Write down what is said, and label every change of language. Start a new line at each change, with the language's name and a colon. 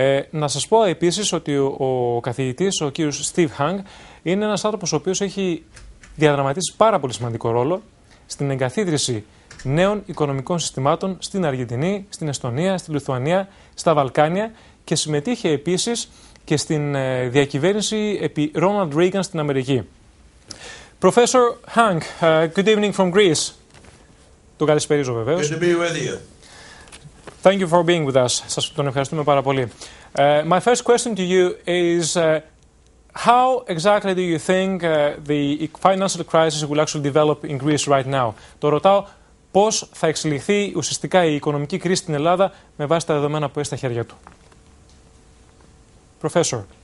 Greek: Να σας πω επίσης ότι ο καθηγητής, ο κύριος Steve Hank, είναι ένας άνθρωπος ο οποίος έχει διαδραματίσει πάρα πολύ σημαντικό ρόλο στην εγκαθίδρυση νέων οικονομικών συστημάτων στην Αργεντινή, στην Εστονία, στη Λιθουανία, στα Βαλκάνια και συμμετείχε επίσης και στην διακυβέρνηση επί Ρόναλντ Ρίγκαν στην Αμερική.
English: Professor Hank, good evening from Greece.
Greek: Το καλησπέριζω βεβαίως.
English: Good to be with you. Thank you for being with us.
Greek: Σας τον ευχαριστούμε πάρα πολύ.
English: My first question to you is, how exactly do you think the financial crisis will actually develop in Greece right now?
Greek: Το ρωτάω πώς θα εξελιχθεί ουσιαστικά η οικονομική κρίση στην Ελλάδα με βάση τα δεδομένα που έχει στα χέρια του.
English: Professor.